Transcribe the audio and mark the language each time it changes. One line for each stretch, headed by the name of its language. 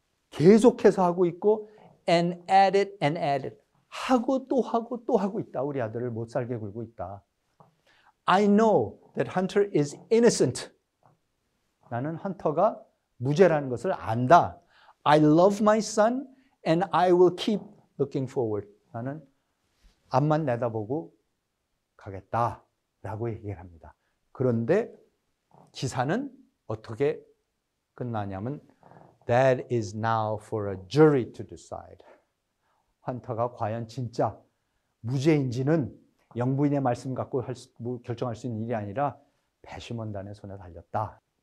Korean: 계속해서 하고 있고
English: and at it and at it
Korean: 하고 또 하고 또 하고 있다. 우리 아들을 못 살게 굴고 있다.
English: I know that Hunter is innocent.
Korean: 나는 헌터가 무죄라는 것을 안다.
English: I love my son and I will keep looking forward.
Korean: 나는 앞만 내다보고 가겠다 라고 얘기를 합니다. 그런데 기사는 어떻게 끝나냐면
English: That is now for a jury to decide.
Korean: 헌터가 과연 진짜 무죄인지는 영부인의 말씀 갖고 결정할 수 있는 일이 아니라 배심원단의 손에 달렸다.